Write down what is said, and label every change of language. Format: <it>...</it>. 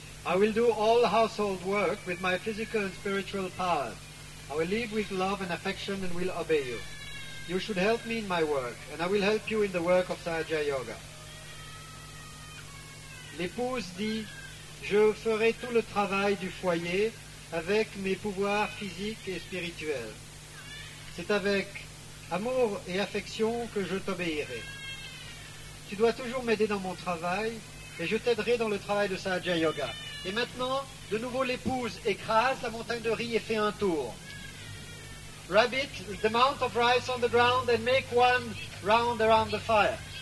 <en>I will do all household work with my physical and spiritual powers. I will live with love and affection and will obey you. You should help me in my work and I will help you in the work of Sahaja Yoga.</en> <fr>L'épouse dit, je ferai tout le travail du foyer avec mes pouvoirs physiques et spirituels. C'est avec amour et affection que je t'obéirai. Tu dois toujours m'aider dans mon travail et je t'aiderai dans le travail de Sahaja Yoga. Et maintenant, de nouveau l'épouse écrase la montagne de riz et fait un tour.</fr> <en>Rabbit the mount of rice on the ground and make one round around the fire.</en>